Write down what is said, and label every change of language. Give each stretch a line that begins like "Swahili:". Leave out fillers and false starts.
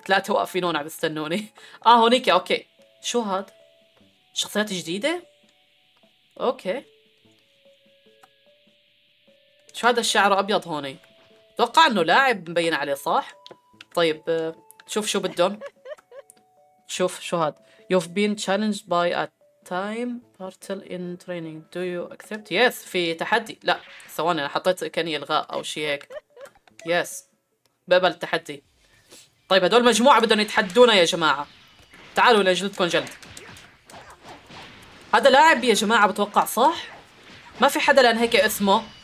Arabic: ثلاثة واقفين هون عم يستنوني. هونيك اوكي. شو هاد؟ شخصيات جديدة؟ اوكي. شو هذا الشعر ابيض هوني؟ اتوقع انه لاعب مبين عليه صح؟ طيب شوف شو بدهم. شوف شو هاد؟
English: You've been challenged by a time portal in training. Do you accept? Yes
Arabic: في تحدي. لا ثواني انا حطيت كاني الغاء او شيء هيك. Yes بقبل التحدي. طيب هدول مجموعة بدهم يتحدونا يا جماعة. تعالوا لجلدكم جلد. هذا لاعب يا جماعة بتوقع صح؟ ما في حدا لان هيك اسمه.